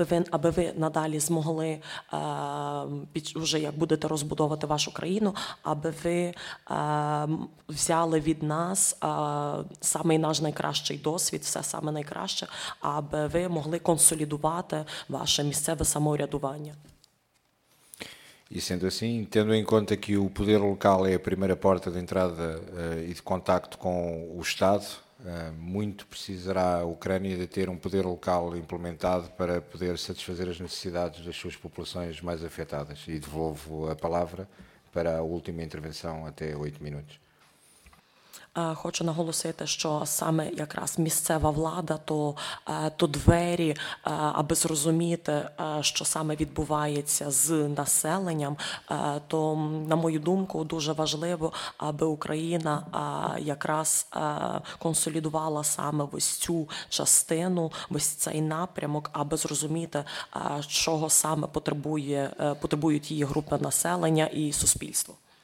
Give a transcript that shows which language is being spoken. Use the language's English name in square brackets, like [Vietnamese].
[Ukrainian] аби ви надалі змогли вже як будете розбудовувати вашу країну, аби ви взяли від нас самий наш найкращий досвід, все саме найкраще, аби ви могли консолідувати ваше місцеве самоврядування. [Portuguese] E sendo assim, tendo em conta que o poder local é a primeira porta de entrada e de contacto com o Estado, muito precisará a Ucrânia de ter um poder local implementado para poder satisfazer as necessidades das suas populações mais afetadas. E devolvo a palavra para a última intervenção, até 8 minutos. [Ukrainian] Хочу наголосити, що саме якраз місцева влада, то двері, аби зрозуміти, що саме відбувається з населенням, то, на мою думку, дуже важливо, аби Україна якраз консолідувала саме ось цю частину, ось цей напрямок, аби зрозуміти, чого саме потребують її групи населення і суспільство.